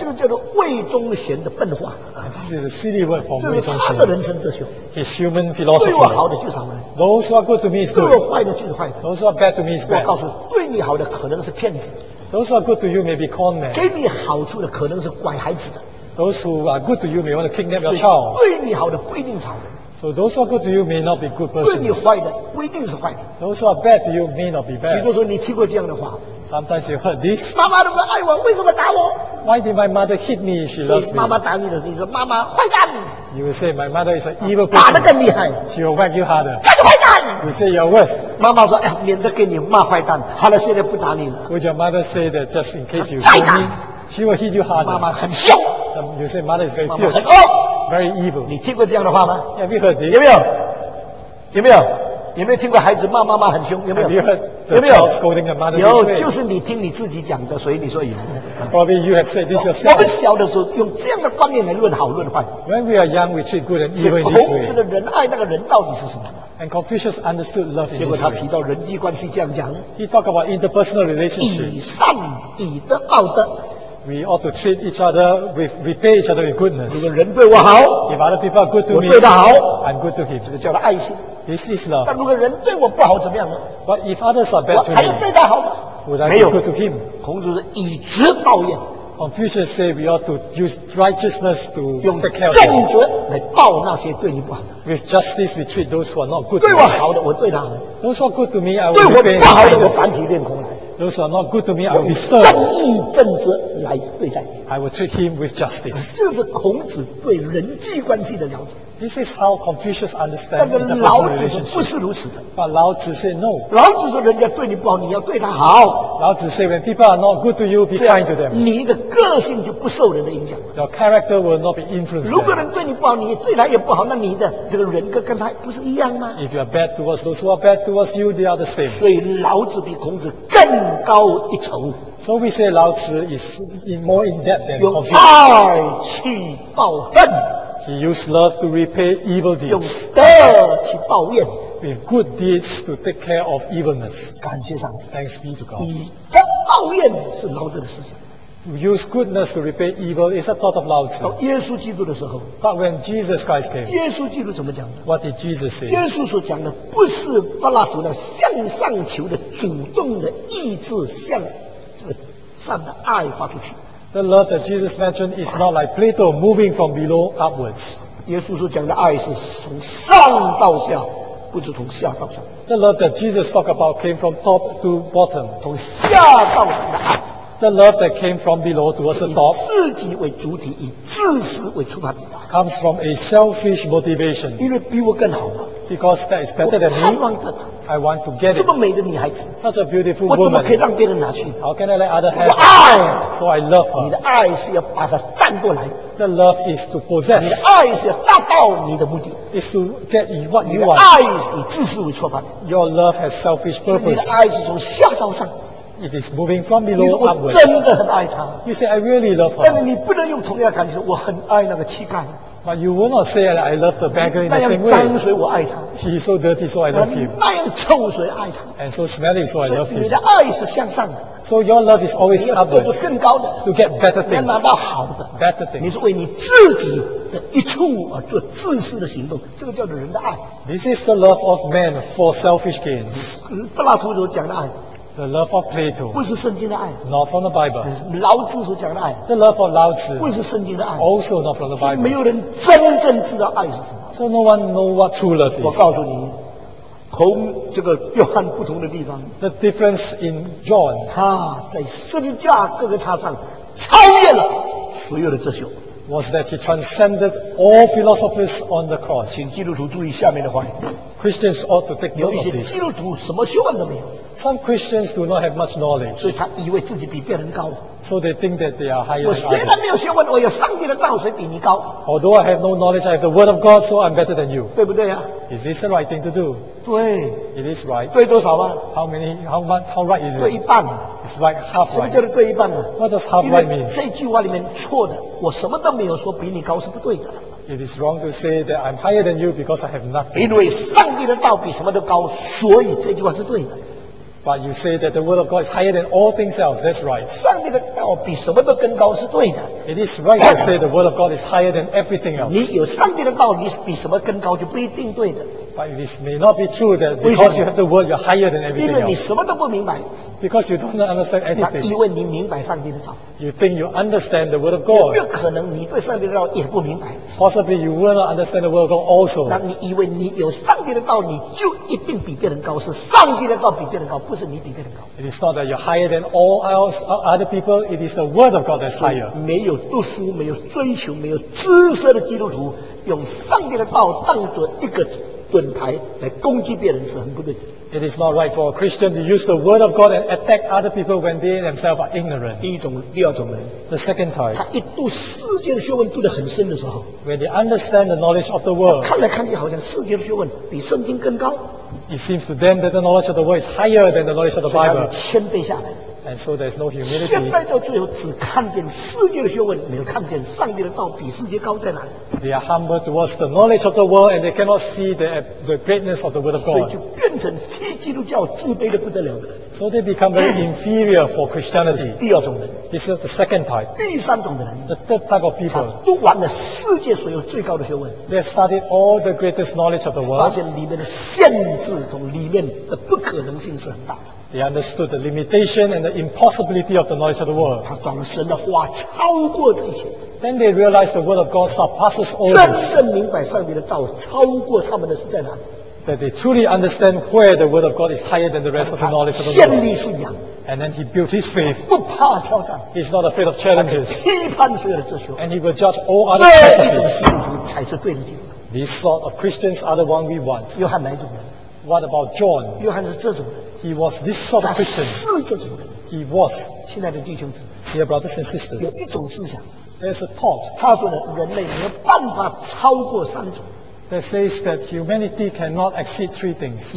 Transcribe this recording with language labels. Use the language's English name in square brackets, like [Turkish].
[Chinese] 这个叫做魏忠贤的笨话。 [English] This is a silly word for Wei Zhongxian。 [Chinese] 这是他的人生哲学。 [English] His human philosophy。 [Chinese] 对我好的就是好人。 [English] Those who are good to me is good。 [Chinese] 对我坏的就是坏人。 [English] Those who are bad to me is bad。 [Chinese] 我告诉你，对你好的可能是骗子。 [English] Those who are good to you may be con man。 [Chinese] 给你好处的可能是拐孩子的。 [English] Those who are good to you may want to kidnap your child。 [Chinese] 对你好的不一定是好人。 [English] So those who are good to you may not be good persons。 [Chinese] 对你坏的不一定是坏人。 [English] Those who are bad to you may not be bad。 [Chinese] 许多时候你听过这样的话。 [English] Sometimes you heard this。 [Chinese] 妈妈那么爱我，为什么打我 [English] ？Why did my mother hit me? She loves me。 [Chinese] 妈妈打你的时候，你说妈妈坏蛋。 [English] You will say my mother is an evil person。 [Chinese] 打得更厉害。 [English] She will whack you harder。 [Chinese] 更坏蛋。 [English] You say you're worse。 [Chinese] 妈妈说，哎，免得给你骂坏蛋。好了，现在不打你了。 [English] Would your mother say that just in case you call me? She will hit you harder。 [Chinese] 妈妈很凶。 [English] You say mother is very fierce。 [Chinese] 妈妈很恶。 [English] Very evil。 [Chinese] 你听过这样的话吗 [English] ？Have you heard this? [Chinese] 有没有？有没有？有没有听过孩子骂妈妈很凶？有没有？ [English] Have you heard the parents scolding your mother? [Chinese] 有，就是你听你自己讲的，所以你说有。 [English] Probably you have said this yourself. [Chinese] 我们小的时候用这样的观念来论好论坏。 [English] When we are young, we treat good and evil this way. [Chinese] 孔子的仁爱那个仁到底是什么 [English] ？And Confucius understood love in this way. [Chinese] 结果他提到人际关系这样讲。 [English] He talked about interpersonal relationship. [Chinese] 以善以德报德。 [English] We ought to treat each other with repay each other with goodness. [Chinese] 如果人对我好 [English] ，If other people are good to me, [Chinese] 我对他好 [English] ，I'm good to him. [Chinese] 这个叫做爱心。 [English] This is love. [Chinese] 但如果人对我不好怎么样呢 [English] ？But if others are bad to me, [Chinese] 我还要对他好吗 [English] ？Would I be good to him? [Chinese] 孔子是以直报怨。 [English] Confucius say we ought to use righteousness to [Chinese] 用正直来报那些对你不好的。 [English] With justice, we treat those who are not good. [Chinese] 对我好的，我对他好。 [English] Those who are good to me, I will repay. [Chinese] 对我不好的，我反其道而行。 [English] Those who are not good to me, I will serve. [Chinese] 用正义正直来对待。 [English] I will treat him with justice. [Chinese] 这是孔子对人际关系的了解。 [English] This is how Confucius understands the relationship. [Chinese] 但是老子是不是如此的 [English] ？But 老子 say no. [Chinese] 老子说人家对你不好，你要对他好。 [English] 老子 say when people are not good to you, be kind to them. [Chinese] 你的个性就不受人的影响。 [English] Your character will not be influenced. [Chinese] 如果人对你不好，你对他也不好，那你的这个人格跟他不是一样吗 [English] ？If you are bad towards those who are bad towards you, they are the same. [Chinese] 所以老子比孔子更高一层。 [English] So we say 老子 is more in depth than Confucius. [Chinese] 用爱去报恨。 [English] He used love to repay evil deeds. [Chinese] 用德去报怨。 [English] With good deeds to take care of evilness. [Chinese] 感谢上帝。 [English] Thanks be to God. [Chinese] 以德报怨是老子的思想。 [English] To use goodness to repay evil is a thought of 老子。 [Chinese] 到耶稣基督的时候。 [English] But when Jesus Christ came. [Chinese] 耶稣基督怎么讲的 [English] ？What did Jesus say? [Chinese] 耶稣所讲的不是柏拉图的向上求的主动的意志向上的爱发出去。 [English] The love that Jesus mentioned is not like Plato moving from below upwards. [Chinese] 耶稣所讲的爱是从上到下，不是从下到上。 [English] The love that Jesus talked about came from top to bottom. [Chinese] 从下到下。 [English] The love that came from below towards the top. [Chinese] 自己为主体，以自私为出发点。 [English] Comes from a selfish motivation. [Chinese] 因为比我更好嘛。 [English] Because that is better than me. [Chinese] 我盼望着他。 [English] I want to get it. [Chinese] 这么美的女孩子。 [English] Such a beautiful woman. [Chinese] 我怎么可以让别人拿去 [English] ？How can I let other have? [Chinese] 我的爱。 [English] So I love her. [Chinese] 你的爱是要把她占过来。 [English] The love is to possess. [Chinese] 你的爱是要大大到你的目的 [English] is to get what you want. [Chinese] 爱以自私为出发 [English] Your love has selfish purpose. [Chinese] 你的爱是从下到上 [English] It is moving from below upwards. [Chinese] 我真的很爱他 [English] You say I really love her. [Chinese] 但是你不能用同样的感觉，我很爱那个乞丐。 [English] But you will not say that I love the beggar in the same way. [Chinese] 那样脏水我爱他。 [English] He is so dirty, so I love him. [Chinese] 那样臭水爱他。 [English] And so smelly, so I love him. [Chinese] 你的爱是向上的。 [English] So your love is always upwards. [Chinese] 你要更高的。 [English] To get better things. [Chinese] 你要拿到好的。 [English] Better things. [Chinese] 你是为你自己的一处而做自私的行动，这个叫做人的爱。 [English] This is the love of man for selfish gains. [Chinese] 柏拉图所讲的爱。 [English] The love of Plato. [Chinese] 不是圣经的爱。 [English] Not from the Bible. [Chinese] 老子所讲的爱。 [English] The love of 老子。 [Chinese] 不是圣经的爱。 [English] Also not from the Bible. [Chinese] 没有人真正知道爱是什么。 [English] So no one know what true love is. [Chinese] 我告诉你，同这个约翰不同的地方。 [English] The difference in John. [Chinese] 他在十字架各个叉上超越了所有的哲学。 [English] Was that he transcended all philosophers on the cross? [Chinese] 请基督徒注意下面的话。 [English] Christians ought to take note of this. [Chinese] 有一些基督徒什么学问都没有。 [English] Some Christians do not have much knowledge. [Chinese] 所以他以为自己比别人高。 [English] So they think that they are higher. [Chinese] 我虽然没有学问，我有上帝的道，谁比你高 [English] ？Although I have no knowledge, I have the word of God, so I'm better than you. [Chinese] 对不对啊 [English] ？Is this the right thing to do? [Chinese] 对。 [English] It is right. [Chinese] 对多少吗 [English] ？How many? How much? How right is it? [Chinese] 对一半。 [English] It's right half right. [Chinese] 什么叫做对一半呢 [English] ？What does half right mean? [Chinese] 这句话里面错的，我什么都没有说比你高是不对的。 [English] It is wrong to say that I'm higher than you because I have nothing. [Chinese] 因为上帝的道比什么都高，所以这句话是对的。 [English] But you say that the word of God is higher than all things else. That's right. [Chinese] 上帝的道比什么都更高是对的。 [English] It is right to say the word of God is higher than everything else. [Chinese] 你有上帝的道，你比什么更高就不一定对的。 [English] But it may not be true that because you have the word, you're higher than everything else. [Chinese] 因为你什么都不明白。 [English] Because you don't understand anything. [Chinese] 因为你明白上帝的道。 [English] You think you understand the word of God. [Chinese] 有可能你对上帝的道也不明白。 [English] Possibly you will not understand the word of God also. [Chinese] 那你以为你有上帝的道，你就一定比别人高？是上帝的道比别人高，不是你比别人高。 [English] It is not that you're higher than all else other people. It is the word of God that's higher. [Chinese] 没有读书、没有追求、没有知识的基督徒，用上帝的道当作一个盾牌来攻击别人是很不对。 [English] It is not right for a Christian to use the word of God and attack other people when they themselves are ignorant. [Chinese] 第一种，第二种人。 [English] The second type. [Chinese] 他一读世界的学问读得很深的时候。 [English] When they understand the knowledge of the world. [Chinese] 看来看去好像世界的学问比圣经更高。 [English] It seems to them that the knowledge of the world is higher than the knowledge of the Bible. [Chinese] 所以他们谦卑下来。 [English] And so there's no humility. [Chinese] 谦卑到最后只看见世界的学问，没有看见上帝的道比世界高在哪里。 [English] They are humble towards the knowledge of the world, and they cannot see the greatness of the word of God. [Chinese] 所以就变成替基督教自卑的不得了的。 [English] So they become very inferior for Christianity. [Chinese] 第二种人。 [English] This is the second type. [Chinese] 第三种人。 [English] The third type of people. [Chinese] 读完了世界所有最高的学问。 [English] They studied all the greatest knowledge of the world. [Chinese] 发现里面的限制和里面的不可能性是很大的。 [English] They understood the limitation and the impossibility of the knowledge of the world. [Chinese] 他讲神的话超过这一切。 [English] Then they realized the word of God surpasses all this. [Chinese] 真正明白上帝的道超过他们的是在哪里？ [English] That they truly understand where the word of God is higher than the rest of the knowledge of the world. [Chinese] 建立信仰。 [English] And then he built his faith. [Chinese] 不怕挑战。 [English] He's not afraid of challenges. [Chinese] 批判所有的哲学。 [English] And he will judge all other philosophies. [Chinese] 这种信徒才是对的。 [English] These sort of Christians are the one we want. [Chinese] 约翰哪一种人？ [English] What about John? [Chinese] 约翰是这种人。 [English] He was this sort of Christian. He was. [Chinese] 亲爱的弟兄姊妹 [English] Dear brothers and sisters. [Chinese] 有一种思想 [English] There's a thought. [Chinese] 他说的人类没有办法超过三种 [English] That says that humanity cannot exceed three things.